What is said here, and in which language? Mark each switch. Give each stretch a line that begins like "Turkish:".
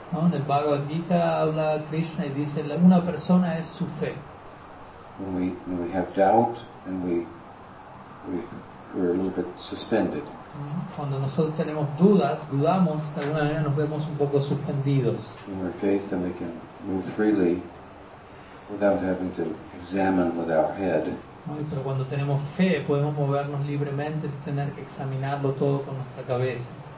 Spanish: No, en el Bhagavad Gita habla Krishna y dice una persona es su fe.
English: When we have doubt and we're a little bit suspended.
Spanish: Cuando nosotros tenemos dudas, dudamos, de alguna manera nos vemos un poco suspendidos. Pero cuando tenemos fe, podemos movernos libremente sin tener que examinarlo todo con nuestra cabeza.